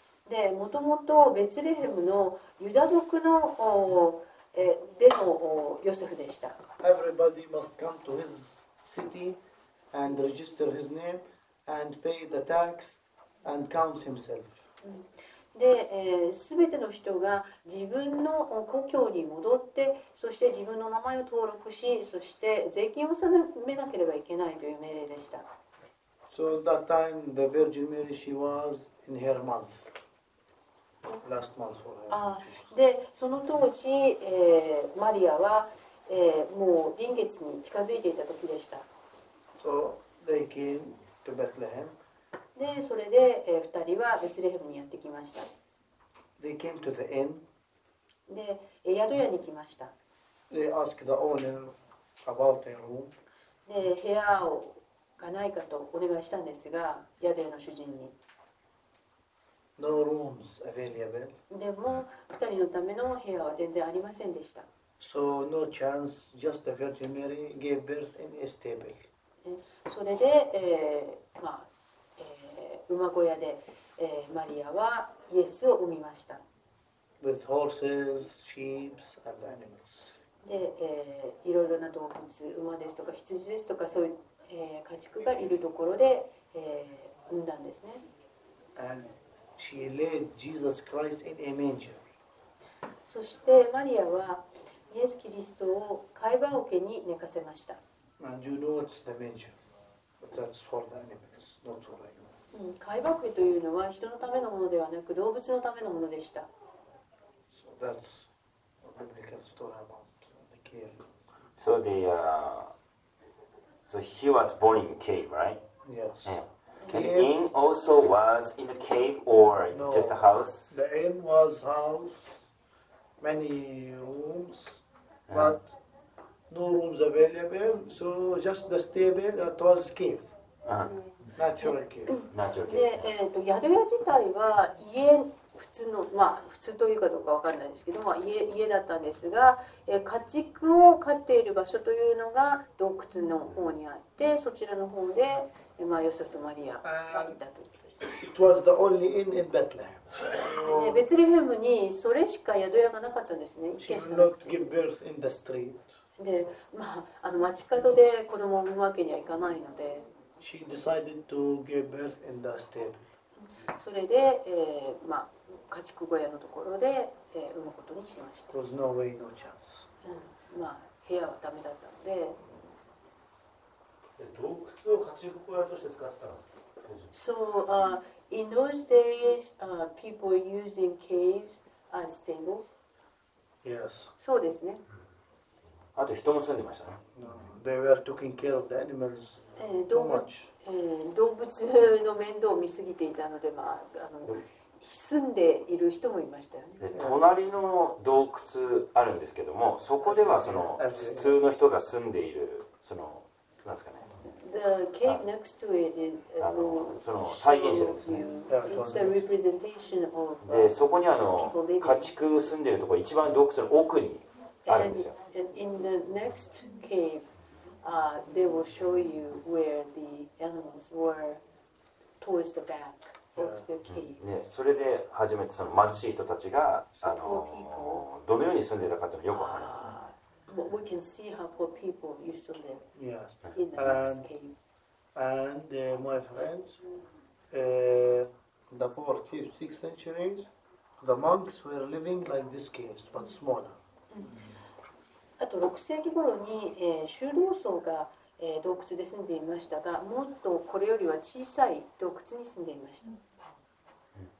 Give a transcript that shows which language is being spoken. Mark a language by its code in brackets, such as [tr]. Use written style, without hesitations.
[ja] で、もともとベツレヘムのユダ族のでのヨセフでした。 [en] Everybody must come to his city and register his name and pay the tax and count himself. [ja] で、すべての人が自分の故郷に戻って、そして自分の名前を登録し、そして税金を納めなければいけないという命令でした。 [en] So that time the Virgin Mary she was in her month. Last month for her. [ja] ああでその当時、マリアは、もう臨月に近づいていた時でした。 [en] So they came to Bethlehem. [ja] でそれで、二人はベツレヘムにやってきました。 [en] They came to the inn. [ja] で宿屋に来ました。 [en] They asked the owner about their room. [ja] で部屋がないかとお願いしたんですが宿屋の主人に。 [en] No rooms available. [ja] でも二人のための部屋は全然ありませんでした。 [en] So no chance. Just the Virgin Mary gave birth in a stable. [ja] それで、まあ馬小屋で、マリアはイエスを産みました。 [en] With horses, sheep, and animals. [ja] で、いろいろな動物、馬ですとか羊ですとかそういう、家畜がいるところで、産んだんですね。 [en] And She laid Jesus Christ in a manger. [ja] そしてマリアはイエス・キリストを貝場桶に寝かせました。 [en] And you know it's the manger. But that's for the animals, not for the humans. [ja] 貝場桶というのは人のためのものではなく動物のためのものでした。 [en] So that's a biblical story about the cave. So the, so he was born in a cave, right? Yes. Yeah. Cave? The inn also was in the cave or no, just a house? The inn was house, many rooms, but no rooms available, so just the stable, that was cave, natural cave. Natural [ja] cave. 宿屋自体は家普通の、まあ普通というかどうかわかんないですけど、まあ、家だったんですが、家畜を飼っている場所というのが洞窟の方にあって、そちらの方で、まあ、ヨセフとマリアがいたということです。 [en] It was the only inn in Bethlehem. [ja] ベツレヘムにそれしか宿屋がなかったんですね。 [en] She did not give birth in the street. [ja] で、まあ、あの街角で子供を産むわけにはいかないので。 [en] She decided to give birth in the stable. [ja] それで、まあ、家畜小屋のところで、産むことにしました。 [en] There was no way, no chance. [ja] まあ、部屋はダメだったので。洞窟を家畜小屋として使ってたんですか？ [en] So, in those days, people were using caves as stables. Yes. [ja] そうですね。あと人も住んでましたね。 [en] No. They were taking care of the animals too much. [ja] 動物の面倒を見すぎていたので、まあ、住んでいる人もいましたよね。隣の洞窟あるんですけども、そこではその普通の人が住んでいる、その、なんですかね。 [en] The cave next to it is, [ja] その再現してるんですね。 [en] It's a representation of, [ja] で、そこにあの家畜住んでいるところ、一番洞窟の奥にあるんですよ。 [en] And in the next cave,they will show you where the animals were towards the back of the cave. [ja] ね、それで初めてその貧しい人たちが、どのように住んでいたかというのよく分かります。 [en] But we can see how poor people used to live. Yes. In the next cave. And my friends, the 4th, 5th, 6th centuries, the monks were living like this caves, but smaller. [ja] あと6世紀頃に、修道僧が、洞窟で住んでいましたが、もっとこれよりは小さい洞窟に住んでいました。